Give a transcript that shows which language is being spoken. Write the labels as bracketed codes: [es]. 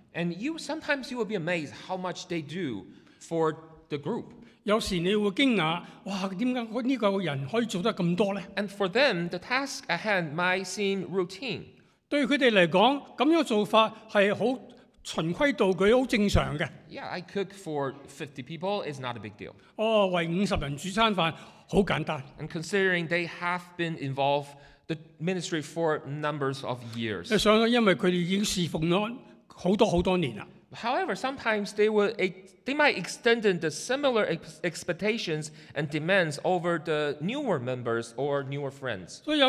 [en] And sometimes you will be amazed how much they do for the group. [zh] 有時你會驚訝, 哇,為什麼這個人可以做得這麼多呢? [en] And for them, the task at hand might seem routine. [zh] 對他們來講, 這樣的做法是很循規蹈矩,很正常的。 [en] Yeah, I cook for 50 people, it's not a big deal. [zh] 哦,為50人煮餐飯,很簡單。 [en] And considering they have been involved in the ministry for numbers of years. [zh] 想想因為他們已經侍奉了很多很多年了。 [en] However, sometimes they might extend the similar expectations and demands over the newer members or newer friends.